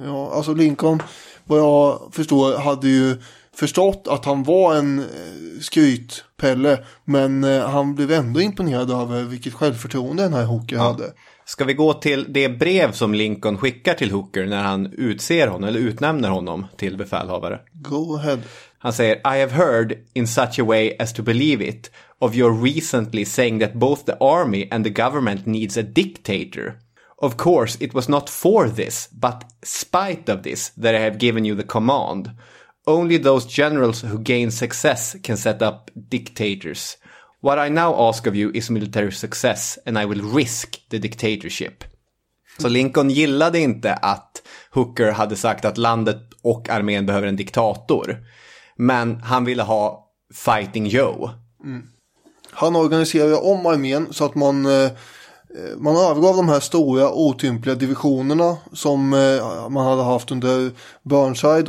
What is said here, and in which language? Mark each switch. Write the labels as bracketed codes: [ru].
[sv] Ja, alltså Lincoln, vad jag förstår, hade ju förstått att han var en skrytpelle. Men han blev ändå imponerad av vilket självförtroende den här Hooker hade. Ska vi gå till det brev som Lincoln skickar till Hooker när han utser honom eller utnämner honom till befälhavare? [en] Go ahead. [sv] Han säger, [en] I have heard in such a way as to believe it of your recently saying that both the army and the government needs a dictator. Of course, it was not for this, but spite of this, that I have given you the command. Only those generals who gain success can set up dictators. What I now ask of you is military success and I will risk the dictatorship. [sv] Så Lincoln gillade inte att Hooker hade sagt att landet och armén behöver en diktator. Men han ville ha Fighting Joe. Mm. Han organiserade om armén så att man övergav de här stora otympliga divisionerna som man hade haft under Burnside.